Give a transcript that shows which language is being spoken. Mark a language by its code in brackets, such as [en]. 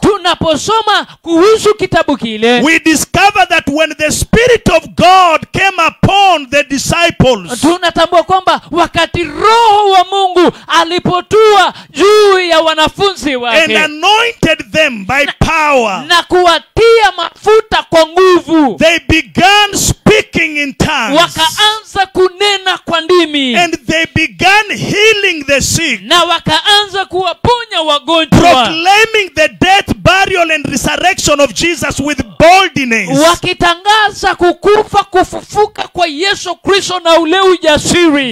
[sw] tunaposoma kuhusu kitabu kile, [en] we discover that when the Spirit of God came upon the disciples, [sw] tunatambua kwamba wakati Roho wa Mungu alipotua juu ya wanafunzi wake, [en] and anointed them by power, [sw] na kuwatia mafuta kwa nguvu, [en] they began speaking in tongues, [sw] wakaanza kunena kwa ndimi, [en] and they began healing the sick, [sw] na wakaanza kuwaponya wagonjwa, [en] proclaiming the death, burial and resurrection of Jesus with boldness, [sw] wakitangaza kukufa kufufuka kwa Yesu Kristo na ule ujasiri.